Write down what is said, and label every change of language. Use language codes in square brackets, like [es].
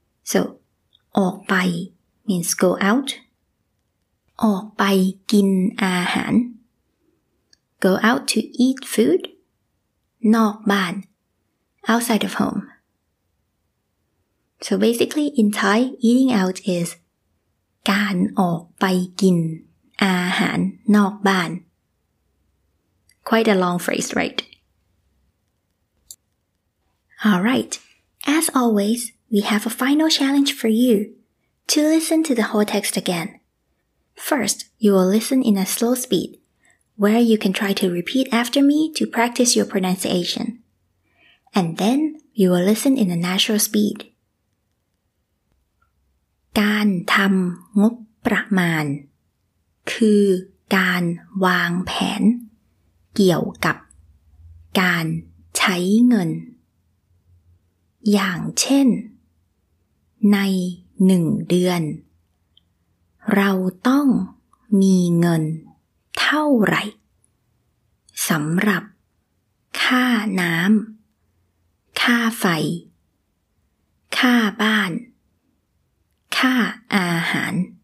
[en] so ออกไป means go out [th] ออกไปกินอาหาร [en] go out to eat food นอกบ้าน outside of home so basically in Thai eating out is [th] การออกไปกินอาหารนอกบ้าน [en] Quite a long phrase, right? Alright, as always, we have a final challenge for you to listen to the whole text again. First, you will listen in a slow speed, where you can try to repeat after me to practice your pronunciation. And then, you will listen in a natural speed. [th] การทำงบประมาณคือการวางแผนเกี่ยวกับการใช้เงิน อย่างเช่นในหนึ่งเดือนเราต้องมีเงินเท่าไหร่สำหรับค่าน้ำค่าไฟค่าบ้านค่าอาหาร